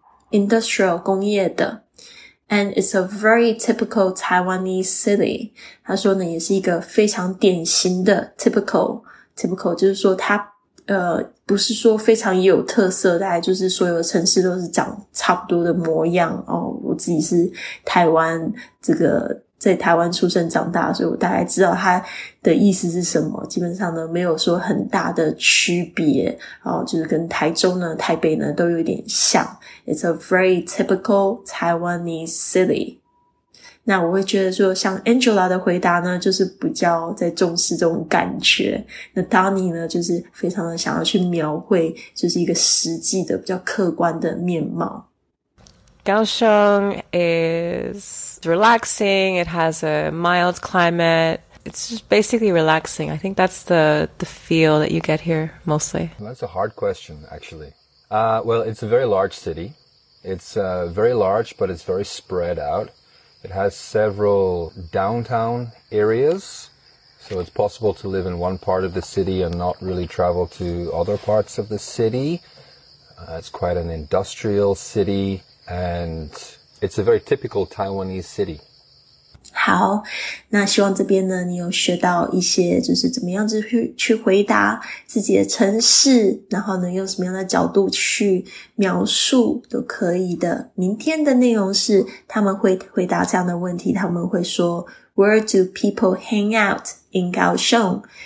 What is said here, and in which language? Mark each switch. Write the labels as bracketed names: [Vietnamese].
[Chinese] industrial 工业的。 [English] And it's a very typical Taiwanese city. [Chinese] 他说呢也是一个非常典型的 typical。 Typical 就是说它不是说非常有特色，大概就是所有的城市都是长差不多的模样、哦、我自己是台湾这个在台湾出生长大，所以我大概知道它的意思是什么。基本上呢没有说很大的区别、哦、就是跟台中呢台北呢都有点像。 [English] It's a very typical Taiwanese city. [Chinese] 那我会觉得说像 Angela 的回答呢就是比较在重视这种感觉，那 Donnie 呢就是非常的想要去描绘就是一个实际的比较客观的面貌。 [English] Kaohsiung is relaxing, it has a mild climate, it's just basically relaxing. I think that's the feel that you get here mostly. That's a hard question actually. Well, it's a very large city. It's very large, but it's very spread out. It has several downtown areas, so it's possible to live in one part of the city and not really travel to other parts of the city. It's quite an industrial city. And it's a very typical Taiwanese city. [Chinese] 好，那希望这边呢，你有学到一些，就是怎么样子去回答自己的城市，然后呢，用什么样的角度去描述都可以的。明天的内容是，他们会回答这样的问题，他们会说 ， [English] Where do people hang out in Kaohsiung？